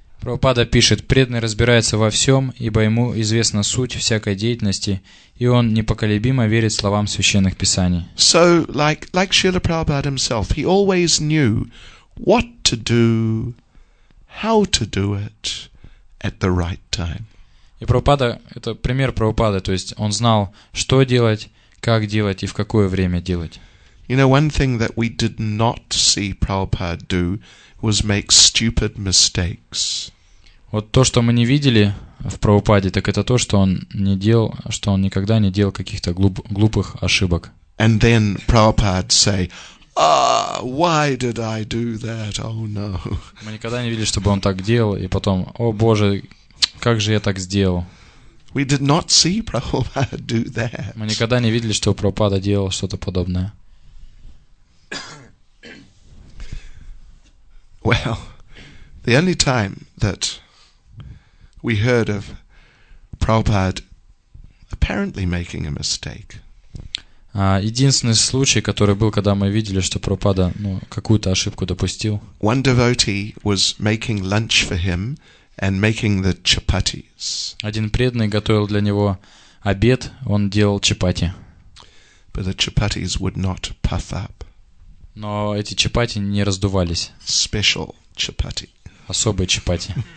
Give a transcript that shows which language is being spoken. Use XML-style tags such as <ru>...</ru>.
<ru>Прабхупада пишет, преданный разбирается во всем, ибо ему известна суть всякой деятельности, и он непоколебимо верит словам священных писаний.</ru> <en>So, like Srila Prabhupada himself, he always knew what to do, how to do it at the right time.</en> <ru>И Прабхупада, это пример Прабхупады, то есть он знал, что делать, как делать и в какое время делать.</ru> <en>You know, one thing that we did not see Prabhupada do was make stupid mistakes.</en> <ru>Вот то, что мы не видели в Прабхупаде, так это то, что он не делал, что он никогда не делал каких-то глупых ошибок.</ru> <en>And then Prabhupada say, "Ah, why did I do that? Oh no."</en> <ru>Мы никогда не видели, чтобы он так делал, и потом, о боже, как же я так сделал?</ru> <en>We did not see Prabhupada do that.</en> <ru>Мы никогда не видели, что Прабхупада делал что-то подобное.</ru> <en>Well, the only time that we heard of Prabhupada apparently making a mistake.</en> <ru>Единственный случай, который был, когда мы видели, что Прабхупада какую-то ошибку допустил.</ru> <en>One devotee was making lunch for him and making the chapatis.</en> <ru>Один преданный готовил для него обед, он делал чапати.</ru> <en>But the chapatis would not puff up.</en> <ru>Но эти чапати не раздувались.</ru> <en>Special chapati.</en> <ru>Особые чапати.</ru>